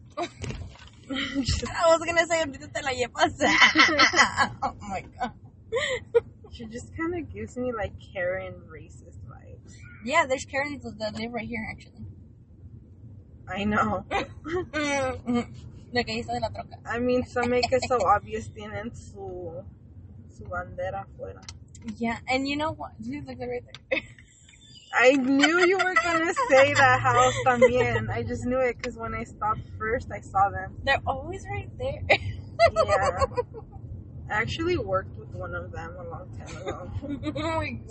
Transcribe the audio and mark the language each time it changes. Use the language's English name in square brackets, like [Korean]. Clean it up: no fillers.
[English] I was going to say, [Spanish] ahorita te la llevas. [English] Oh my God. She just kind of gives me Karen racist vibes. Yeah, there's Karens that live right here, actually. I know. [Spanish] Lo que hizo de la troca. [English] I mean, some make it so obvious. [Spanish] Tienen su bandera afuera. [English] Yeah, and you know what? Look, they're right there. I knew you were going to say that house también. I just knew it because when I stopped first, I saw them. They're always right there. Yeah. I actually worked with one of them a long time ago. Oh my god.